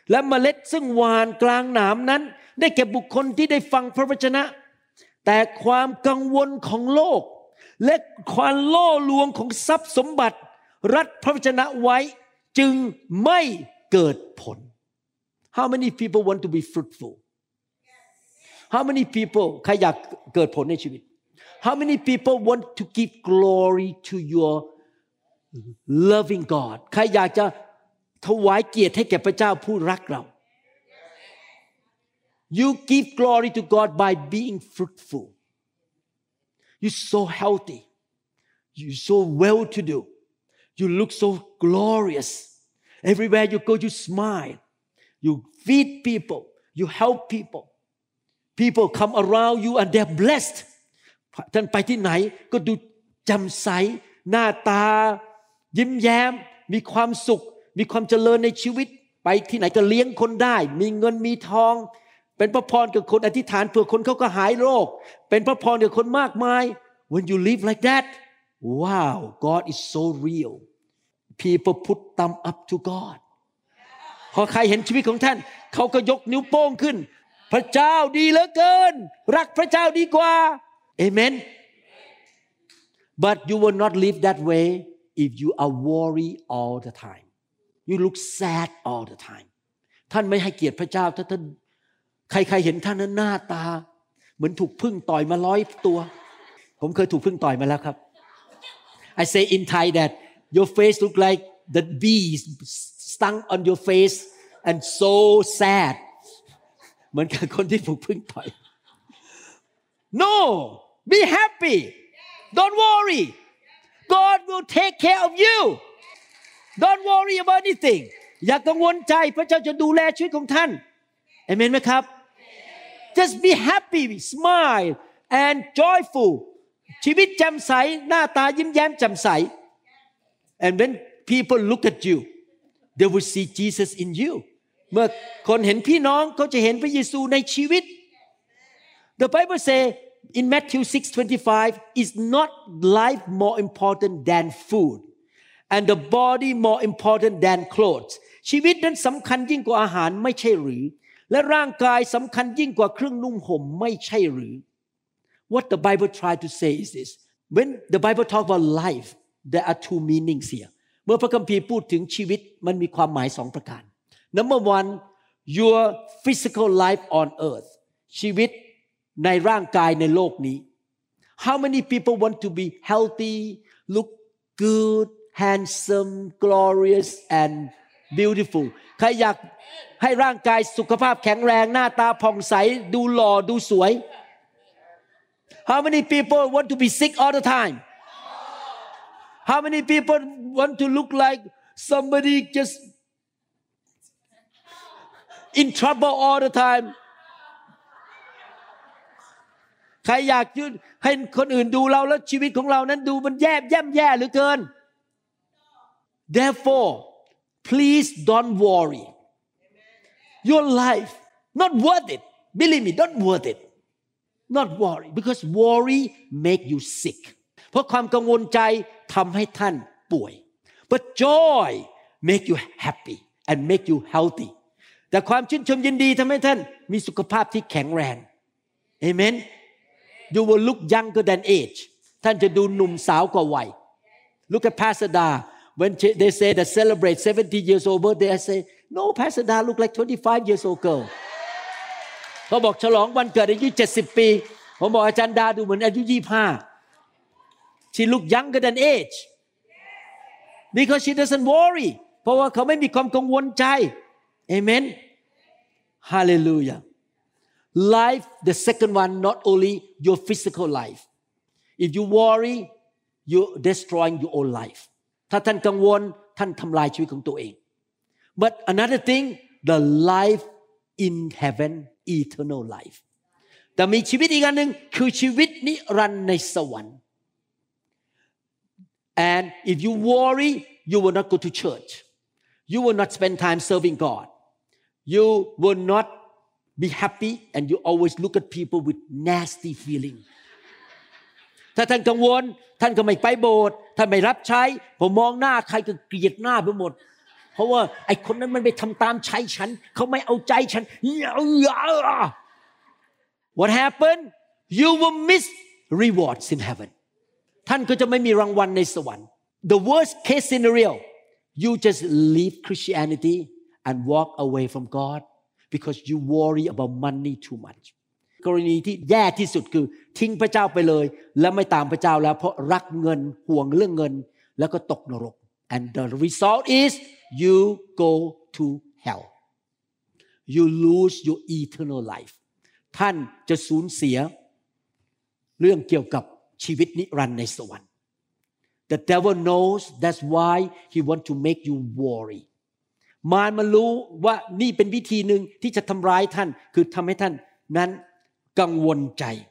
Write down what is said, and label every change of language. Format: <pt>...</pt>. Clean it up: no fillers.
<th>และเมล็ดซึ่งหวานกลางหนามนั้นได้แก่บุคคลที่ได้ฟังพระวจนะแต่ความกังวลของโลกและความล่อลวงของทรัพย์สมบัติรัดพระวจนะไว้จึงไม่เกิดผล</th> <en>How many people want to be fruitful? How many people</en> <th>ใครอยากเกิดผลในชีวิต</th> <en>How many people want to give glory to your loving God</en> <th>ใครอยากจะถวายเกียรติให้แก่พระเจ้าผู้รักเรา</th> <en>You give glory to God by being fruitful. You're so healthy. You're so well-to-do. You look so glorious. Everywhere you go, you smile. You feed people. You help people. People come around you and they're blessed.</en> <th>ท่านไปที่ไหนก็ดูจำใสหน้าตายิ้มแย้มมีความสุขมีความเจริญในชีวิตไปที่ไหนก็เลี้ยงคนได้มีเงินมีทองเป็นพระพรกับคนอธิษฐานเผื่อคนเขาก็หายโรคเป็นพระพรกับคนมากมาย</th> <en>When you live like that wow God is so real people put thumb up to God</en> <th>พอใครเห็นชีวิตของท่านเขาก็ยกนิ้วโป้งขึ้นพระเจ้าดีเหลือเกินรักพระเจ้าดีกว่า</th> <en>Amen. But you will not live that way if you are worried all the time. You look sad all the time.</en> <th>ท่านไม่ให้เกียรติพระเจ้าถ้าท่านใครๆเห็นท่านนั้นหน้าตาเหมือนถูกผึ้งต่อยมา100ตัวผมเคยถูกผึ้งต่อยมาแล้วครับ</th> <en>I say in Thai that your face look like the bees stung on your face and so sad.</en> <th>เหมือนกับคนที่ถูกผึ้งต่อย</th> <en>No, be happy. Don't worry. God will take care of you. Don't worry about anything.</en> <th>อย่ากังวลใจพระเจ้าจะดูแลชีวิตของท่าน Amen ไหมครับ</th> <en>Just be happy, smile and joyful.</en> <th>ชีวิตแจ่มใสหน้าตายิ้มแย้มแจ่มใส</th> <en>And when people look at you, they will see Jesus in you.</en> <th>เมื่อคนเห็นพี่น้องเขาจะเห็นพระเยซูในชีวิต</th> <en>The Bible says in Matthew 6:25, is not life more important than food, and the body more important than clothes?</en> <th>ชีวิตนั้นสำคัญยิ่งกว่าอาหารไม่ใช่หรือและร่างกายสำคัญยิ่งกว่าเครื่องนุ่งห่มไม่ใช่หรือ</th> <en>What the Bible tried to say is this: When the Bible talk about life, there are two meanings here.</en> <th>เมื่อพระคัมภีร์พูดถึงชีวิตมันมีความหมายสองประการ</th> <en>Number one, your physical life on earth.</en> <th>ชีวิตในร่างกายในโลกนี้</th> <en>How many people want to be healthy, look good, handsome, glorious, and beautiful?</en> <th>ใครอยากให้ร่างกายสุขภาพแข็งแรงหน้าตาผ่องใสดูหล่อดูสวย</th> <en>How many people want to be sick all the time? How many people want to look like somebody just in trouble all the time?</en> <th>ใครอยากให้คนอื่นดูเราแล้วชีวิตของเรานั้นดูมันแย่แย่แย่หรือเกิน</th> <en>Therefore please don't worry your life not worth it believe me not worth it not worry because worry make you sick</en> <th>เพราะความกังวลใจทำให้ท่านป่วย</th> <en>but joy make you happy and make you healthy</en> <th>แต่ความชื่นชมยินดีทำให้ท่านมีสุขภาพที่แข็งแรง</th> <en>AmenYou will look younger than age.</en> <th>ท่านจะดูหนุ่มสาวกว่าวัย</th> <en>Look at Pastor Da. When they say that celebrate 70 years old, they say, no, Pastor Da look like 25 years old girl.</en> <th>เขาบอกฉลองวันเกิดอายุ70ปีผมบอกอาจารย์ดาดูเหมือนอายุ25</th> <en>She look younger than age. Because she doesn't worry.</en> <th>เพราะว่าเขาไม่มีความกังวลใจ Amen.</th> <en>Hallelujah. Life, the second one, not only your physical life. If you worry, you're destroying your own life.</en> <th>ถ้าท่านกังวลท่านทำลายชีวิตของตัวเอง</th> <en>But another thing, the life in heaven, eternal life.</en> <th>แต่มีชีวิตอีกอันหนึ่งคือชีวิตนิรันดร์ในสวรรค์</th> <en>And if you worry, you will not go to church. You will not spend time serving God. You will notBe happy, and you always look at people with nasty feeling.</en> <th>ถ้าท่านกังวลท่านก็ไม่ไปโบสถ์ท่านไม่รับใช้ผมมองหน้าใครก็เกลียดหน้าไปหมดเพราะว่าไอ้คนนั้นมันไปทำตามใช้ฉันเขาไม่เอาใจฉันเยาะ</th> <en>What happened? You will miss rewards in heaven.</en> <th>ท่านก็จะไม่มีรางวัลในสวรรค์</th> <en>The worst case scenario, you just leave Christianity and walk away from God. Because you worry about money too much.</en> <th>กรณีที่แย่ที่สุดคือทิ้งพระเจ้าไปเลยและไม่ตามพระเจ้าแล้วเพราะรักเงินห่วงเรื่องเงินแล้วก็ตกนรก</th> <en>And the result is you go to hell. You lose your eternal life.</en> <th>ท่านจะสูญเสียเรื่องเกี่ยวกับชีวิตนิรันดร์ในสวรรค์</th> <en>The devil knows that's why he want to make you worry</en> <th>มารมันรู้ว่านี่เป็นวิธีนึงที่จะทำร้ายท่านคือทำให้ท่านนั้นกังวลใจ</th>